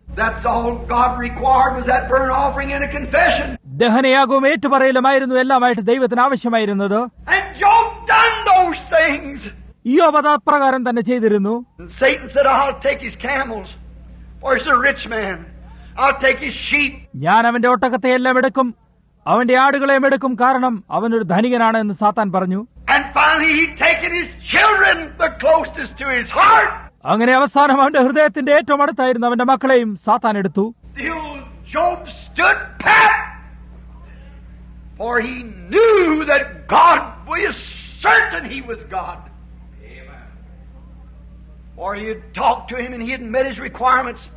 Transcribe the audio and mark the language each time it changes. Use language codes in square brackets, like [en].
[en] That's all God required was that burnt offering and a confession. [ml] ദഹനയാഗവും ഏറ്റുപറയലുമായിരുന്നു എല്ലാമായിട്ട് ദൈവത്തിന് ആവശ്യമായിരുന്നത്. [en] And Job done those things. [ml] ഇയ്യോബ് അപ്രകാരം തന്നെ ചെയ്തിരുന്നു. [en] Satan said, I'll take his camels. For he's a rich man. I'll take his sheep. [ml] ഞാൻ അവന്റെ ഒട്ടകത്തെ എല്ലാം എടുക്കും, അവന്റെ ആടുകളെയും എടുക്കും, കാരണം അവനൊരു ധനികനാണ് എന്ന് സാത്താൻ പറഞ്ഞു. [en] And finally he'd taken his children, the closest to his heart. [ml] അങ്ങനെ അവസാനം അവന്റെ ഹൃദയത്തിന്റെ ഏറ്റവും അടുത്തായിരുന്നു അവന്റെ മക്കളെയും സാത്താൻ എടുത്തു. [en] Job stood pat, for he knew that God was certain he was God. For he had talked to him and he had met his requirements.